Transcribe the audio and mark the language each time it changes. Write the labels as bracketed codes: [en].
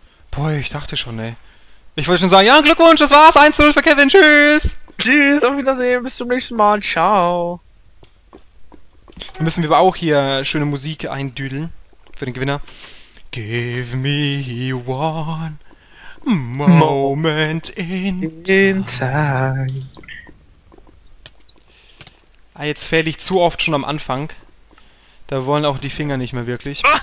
[de] Boah, ich dachte schon, ey. Ich wollte schon sagen, ja, Glückwunsch, das war's. 1-0 für Kevin, tschüss. Tschüss, auf Wiedersehen, bis zum nächsten Mal. Ciao. Dann müssen wir aber auch hier schöne Musik eindüdeln. Für den Gewinner. [en] Give me one moment in time. [de] Ah, jetzt fähle ich zu oft schon am Anfang. Da wollen auch die Finger nicht mehr wirklich.